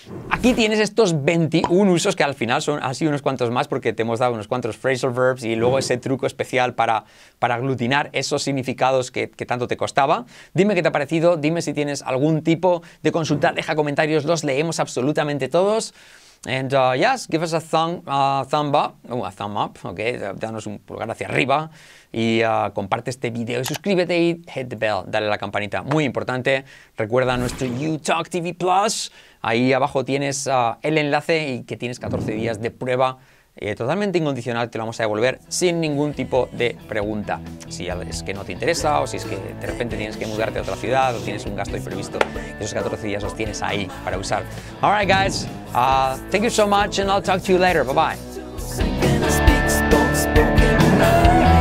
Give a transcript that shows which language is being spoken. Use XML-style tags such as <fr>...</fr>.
<es>Aquí tienes estos 21 usos que al final han sido unos cuantos más porque te hemos dado unos cuantos phrasal verbs y luego ese truco especial para aglutinar esos significados que tanto te costaba. Dime qué te ha parecido, dime si tienes algún tipo de consulta, deja comentarios, los leemos absolutamente todos.</es> <en>And yes, give us a thumb up, okay?</en> <es>Danos un pulgar hacia arriba y comparte este video y suscríbete y</es> <en>hit the bell,</en> <es>dale a la campanita, muy importante. Recuerda nuestro YouTalk TV Plus, ahí abajo tienes el enlace y que tienes 14 días de prueba totalmente incondicional, te lo vamos a devolver sin ningún tipo de pregunta. Si es que no te interesa o si es que de repente tienes que mudarte a otra ciudad o tienes un gasto imprevisto, esos 14 días los tienes ahí para usar.</es> <en>All right, guys. Thank you so much and I'll talk to you later. Bye-bye.</en>